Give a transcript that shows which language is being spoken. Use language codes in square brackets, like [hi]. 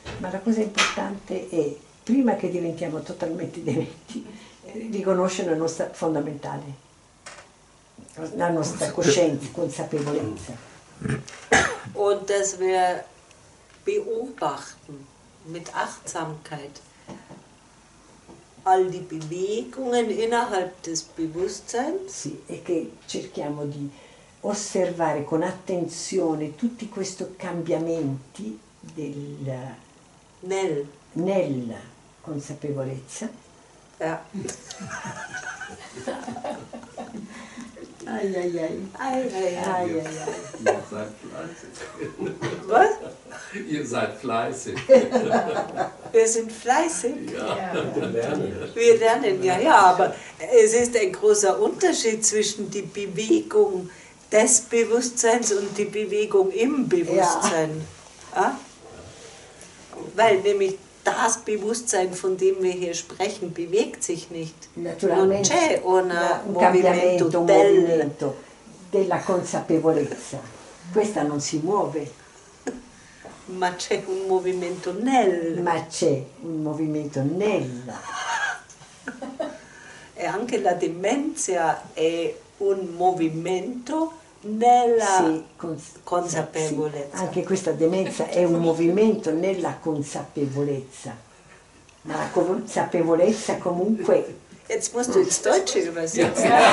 [it] Ma la cosa importante è, prima che diventiamo totalmente dementi, riconoscere la nostra fondamentale, la nostra coscienza, consapevolezza. [de] Und dass wir beobachten mit Achtsamkeit all die Bewegungen innerhalb des Bewusstseins. [it] Sì, e che cerchiamo di osservare con attenzione tutti questi cambiamenti nella consapevolezza. [de] Ja. Ai ai ai. Ai ai ai. Ai, ai, ai. Was? Ihr seid fleißig. Wir sind fleißig. Ja. Wir lernen. Ja, ja, aber es ist ein großer Unterschied zwischen die Bewegung des Bewusstseins und die Bewegung im Bewusstsein. Ja. Ja? Weil nämlich das Bewusstsein, von dem wir hier sprechen, bewegt sich nicht. Natürlich. [it] Un cambiamento, un movimento della consapevolezza. Questa non si muove. Ma c'è un movimento nel. Ma c'è un movimento nella. E anche la demenza è un movimento nella consapevolezza. Sì. Anche questa demenza è un movimento nella consapevolezza. Ma la consapevolezza comunque. [de] Jetzt musst du ins Deutsche übersetzen.